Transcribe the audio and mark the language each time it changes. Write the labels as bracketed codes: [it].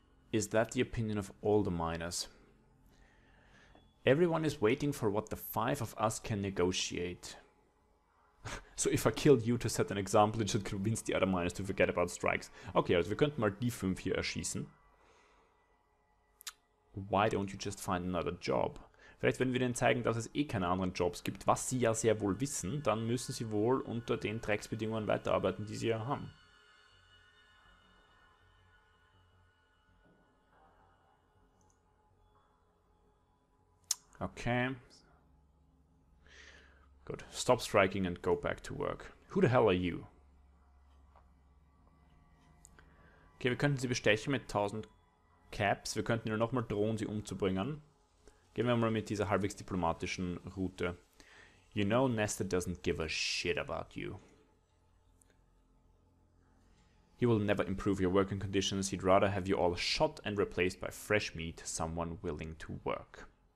[en] Is that the opinion of all the miners? Everyone is waiting for what the five of us can negotiate. So if I kill you to set an example, it should convince the other miners to forget about strikes. [de] Okay, also wir könnten mal die fünf hier erschießen. [en] Why don't you just find another job? [de] Vielleicht wenn wir denen zeigen, dass es eh keine anderen Jobs gibt, was sie ja sehr wohl wissen, dann müssen sie wohl unter den Drecksbedingungen weiterarbeiten, die sie ja haben. Okay. [en] Good. Stop striking and go back to work. Who the hell are you? [de] Okay, wir könnten sie bestechen mit 1000 Caps. Wir könnten ihnen nochmal drohen, sie umzubringen. Gehen wir mal mit dieser halbwegs diplomatischen Route. [en] You know, Nestor doesn't give a shit about you. He will never improve your working conditions. He'd rather have you all shot and replaced by fresh meat, someone willing to work.